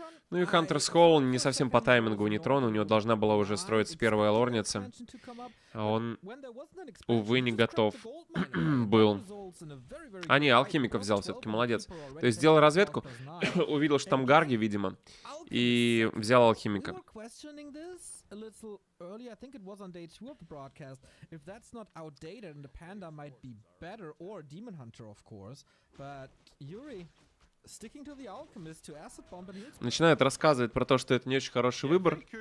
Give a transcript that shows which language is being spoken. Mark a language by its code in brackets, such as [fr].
[ru] ну и Hunter's Hall не совсем по таймингу у Нейтрона, у него должна была уже строиться первая лорница, а он, увы, не готов был. А не, алхимика взял все-таки, молодец. То есть сделал разведку, увидел, что там гарги, видимо, и взял алхимика. [en] A little earlier, I think it was on day two of the broadcast. If that's not outdated, and the panda might be better, or Demon Hunter, of course. But Yuri sticking to the alchemist to acid bomb. [ru] Начинает рассказывать про то, что это не очень хороший выбор.